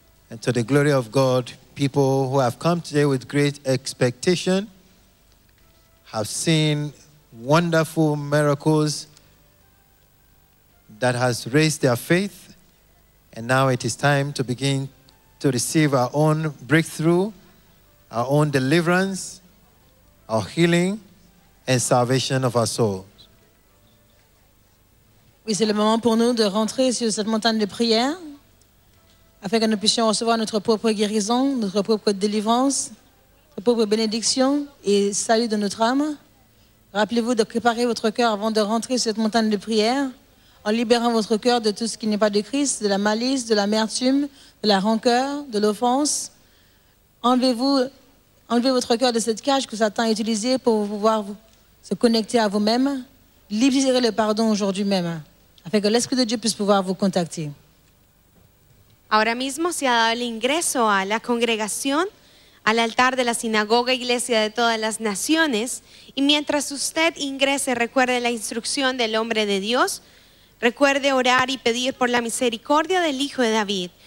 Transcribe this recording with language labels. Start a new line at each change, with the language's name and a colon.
English: And to the glory of God, people who have come today with great expectation have seen wonderful miracles that has raised their faith. And now it is time to begin to receive our own breakthrough, our own deliverance, our healing, and salvation of our souls.
French: Oui, c'est le moment pour nous de rentrer sur cette montagne de prière afin que nous puissions recevoir notre propre guérison, notre propre délivrance, notre propre bénédiction et salut de notre âme. Rappelez-vous de préparer votre cœur avant de rentrer sur cette montagne de prière, en libérant votre cœur de tout ce qui n'est pas de Christ, de la malice, de l'amertume, de la rancœur, de l'offense. Enlevez votre cœur de cette cage que Satan a utilisée pour pouvoir se connecter à vous-même. Libérez le pardon aujourd'hui même, afin que l'Esprit de Dieu puisse pouvoir vous contacter.
Spanish: Ahora mismo se ha dado el ingreso a la congregación, al altar de la sinagoga iglesia de todas las naciones. Y mientras usted ingrese, recuerde la instrucción del hombre de Dios. Recuerde orar y pedir por la misericordia del Hijo de David.